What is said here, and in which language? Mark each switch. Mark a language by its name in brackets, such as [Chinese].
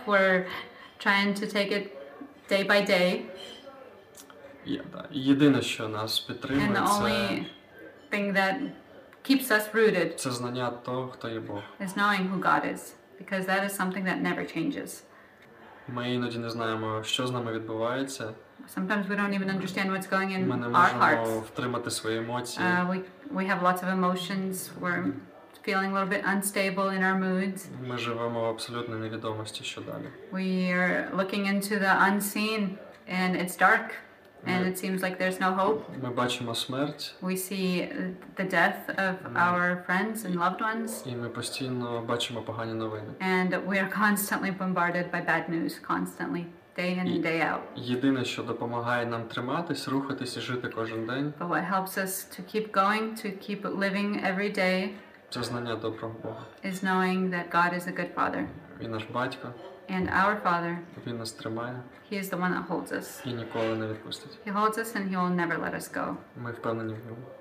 [English] We're trying to take it day by day. [Ukrainian] Єдине, що нас підтримує, [English] and the only thing that keeps us rooted [Ukrainian] це знання того, хто є Бог. [English] Is knowing who God is. Because that is something that never changes. [Ukrainian] Ми іноді не знаємо, що з нами відбувається. [English] Sometimes we don't even understand what's going in hearts. [Ukrainian] Ми не можемо втримати свої емоції. [English] We have lots of emotions. We're feeling a little bit unstable in our moods. [Ukrainian] Ми живемо в абсолютній невідомості, що далі. [English] We are looking into the unseen and it's dark and it seems like there's no hope. [Ukrainian] Ми бачимо смерть. [English] We see the death of our friends and loved ones. [Ukrainian] І ми постійно бачимо погані новини. [English] And we are constantly bombarded by bad news, constantly, day in and day out. [Ukrainian] Єдине, що допомагає нам триматись, рухатись і жити кожен день. [English] But what helps us to keep going, to keep living every day, [Ukrainian] це знання доброго Бога. [English] Is knowing that God is a good father. [Ukrainian] Він наш батько. [English] And our Father, [Ukrainian] він нас тримає. [English] He is the one that holds us. [Ukrainian] І ніколи не відпустить. [English] He holds us and He will never let us go. [Ukrainian] Ми впевнені в ньому.